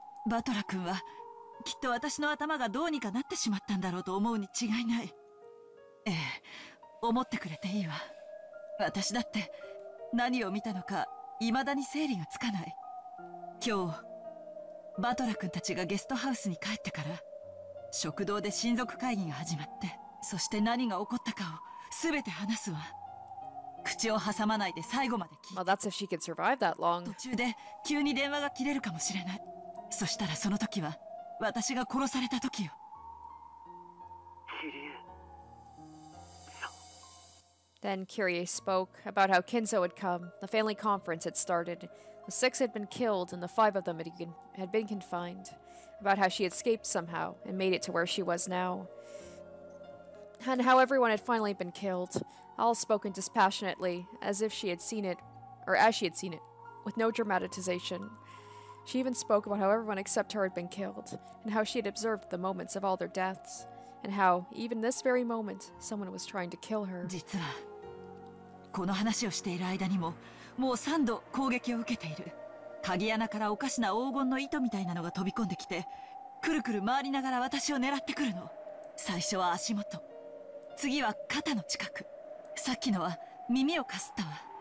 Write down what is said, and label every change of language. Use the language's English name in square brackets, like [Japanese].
[English] Batorak has probably thought my head would be something like that. Yes, I'll think about it. I've seen what I've seen, and I can't even clarify it. Today, Batorak and I came to the guest house. [Japanese] 食堂で親族会議が始まって、そして何が起こったかを全て話すわ。口を挟まないで最後まで聞いて。 [English] Well, that's if she can survive that long. [Japanese] 途中で急に電話が切れるかもしれない。そしたらその時は私が殺された時よ。キリュー。 [English] Then Kirie spoke about how Kinzo had come. The family conference had started. The six had been killed and the five of them had been confined. About how she had escaped somehow and made it to where she was now. And how everyone had finally been killed, all spoken dispassionately, as if she had seen it, or as she had seen it, with no dramatization. She even spoke about how everyone except her had been killed, and how she had observed the moments of all their deaths, and how, even this very moment, someone was trying to kill her. [Japanese] 実は、この話をしている間にも、もう三度攻撃を受けている。鍵穴からおかしな黄金の糸みたいなのが飛び込んできて、くるくる回りながら私を狙ってくるの。最初は足元、次は肩の近く、さっきのは耳をかすったわ。